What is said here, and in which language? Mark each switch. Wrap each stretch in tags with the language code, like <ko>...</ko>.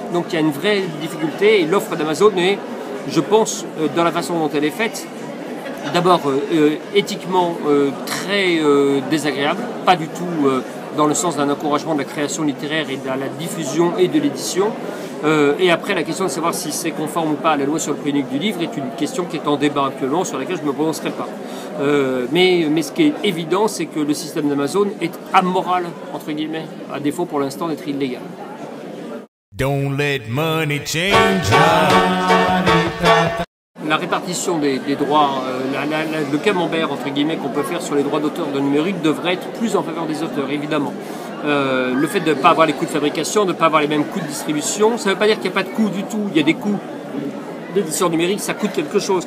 <fr>Donc il y a une vraie difficulté, et l'offre d'Amazon est, je pense, dans la façon dont elle est faite, d'abord éthiquement très désagréable, pas du tout dans le sens d'un encouragement de la création littéraire et de la diffusion et de l'édition. Et après, la question de savoir si c'est conforme ou pas à la loi sur le prix unique du livre est une question qui est en débat actuellement, sur laquelle je ne me prononcerai pas. Mais ce qui est évident, c'est que le système d'Amazon est amoral, entre guillemets, à défaut pour l'instant d'être illégal.</fr> <en>Don't let money change you.</en> <fr>La répartition des droits, le camembert entre guillemets qu'on peut faire sur les droits d'auteur de numérique devrait être plus en faveur des auteurs, évidemment. Le fait de ne pas avoir les coûts de fabrication, de ne pas avoir les mêmes coûts de distribution, ça ne veut pas dire qu'il n'y a pas de coûts du tout. Il y a des coûts d'édition numérique, ça coûte quelque chose.</fr>